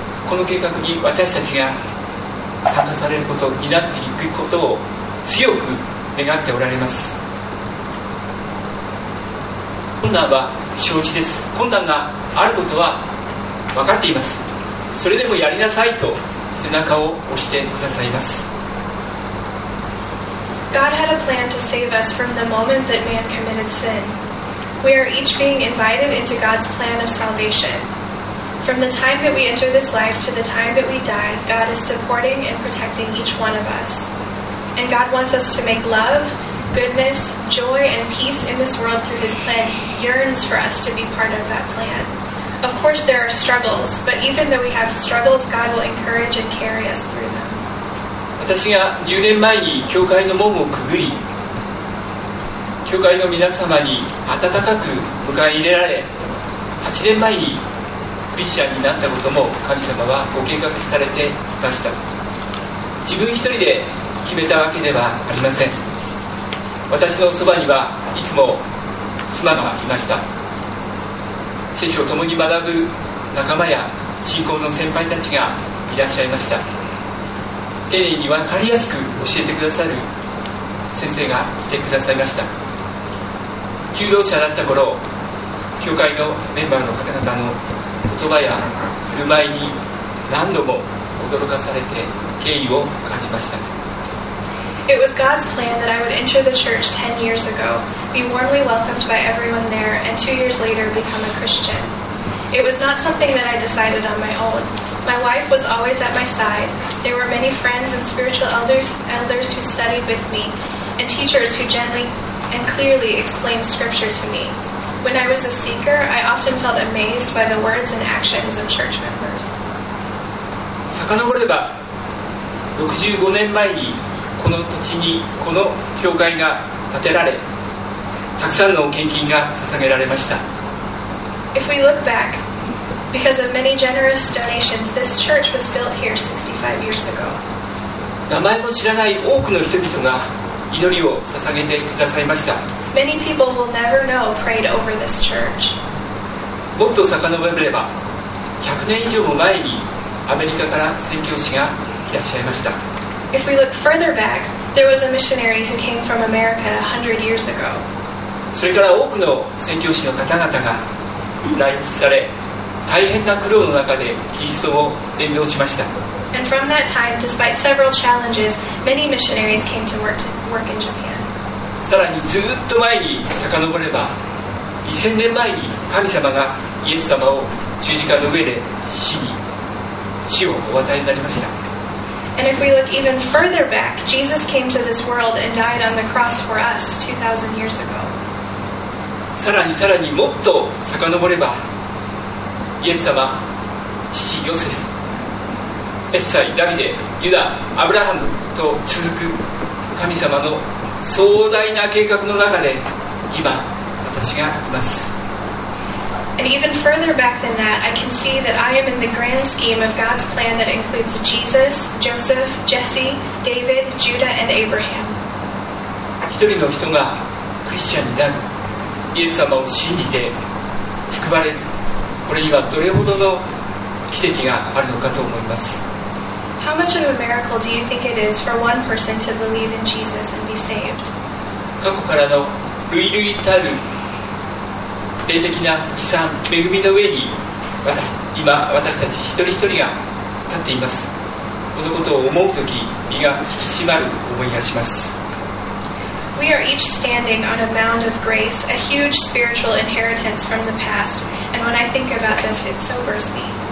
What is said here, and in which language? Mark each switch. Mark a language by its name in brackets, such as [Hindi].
[Japanese] この計画に私たちが参加されること、担っていくことを強く願っておられます。困難は承知です。困難があることは分かっています。それでもやりなさいと背中を押してくださいます。 [English] God had a plan to save us from the moment that man committed sin. We are each being invited into God's plan of salvation. From the time that we enter this life to the time that we die, God is supporting and protecting each one of us. And God wants us to make love, goodness, joy and peace in this world through his plan. He yearns for us to be part of that plan. Of course, there are struggles, but even though we have struggles, God will encourage and carry us through them. [Japanese] 私が10年前に教会の門をくぐり、教会の皆様に温かく迎え入れられ、8年前にクリスチャンになったことも神様はご計画されていました。自分一人で決めたわけではありません。私のそばにはいつも妻がいました。聖書を共に学ぶ仲間や信仰の先輩たちがいらっしゃいました。丁寧に分かりやすく教えてくださる先生がいてくださいました。求道者だった頃、教会のメンバーの方々の言葉や振る舞いに何度も驚かされて敬意を感じました。 [English] It was God's plan that I would enter the church 10 years ago, be warmly welcomed by everyone there, and 2 years later become a Christian. It was not something that I decided on my own. My wife was always at my side. There were many friends and spiritual elders who studied with me, and teachers who gently and clearly explained scripture to me. When I was a seeker, I often felt amazed by the words and actions of church members. [Japanese] 遡れば、65年前にこの土地にこの教会が建てられ、たくさんの献金が捧げられました。 [English] If we look back, because of many generous donations, this church was built here 65 years ago. [Japanese] 名前も知らない多くの人々が祈りを捧げてくださいました。 [English] Many people will never know prayed over this church. [Japanese] もっと遡れば、100年以上も前にアメリカから宣教師がいらっしゃいました。 [English] If we look further back, there was a missionary who came from America 100 years ago. [Japanese] それから多くの宣教師の方々が来日され、大変な苦労の中でキリストを伝道しました。 [English] And from that time, despite several challenges, many missionaries came to work in Japan. [Japanese] さらにずっと前に遡れば、2000年前に神様がイエス様を十字架の上で死をお与えになりました。 [English] And if we look even further back, Jesus came to this world and died on the cross for us 2,000 years ago. [Japanese] さらにさらにもっと遡れば、イエス様、父ヨセフ、エッサイ、ダビデ、ユダ、アブラハムと続く神様の壮大な計画の中で今私がいます。 [English] And even further back than that, I can see that I am in the grand scheme of God's plan that includes Jesus, Joseph, Jesse, David, Judah, and Abraham. [Japanese] 一人の人がクリスチャンになる、イエス様を信じて救われる、これにはどれほどの奇跡があるのかと思います。 [English] How much of a miracle do you think it is for one person to believe in Jesus and be saved? [Japanese] 過去からの類々たる霊的な遺産、恵みの上に今私たち一人一人が立っています。このことを思うとき、身が引き締まる思いがします。 [English] We are each standing on a mound of grace, a huge spiritual inheritance from the past, and when I think about this, it sobers me.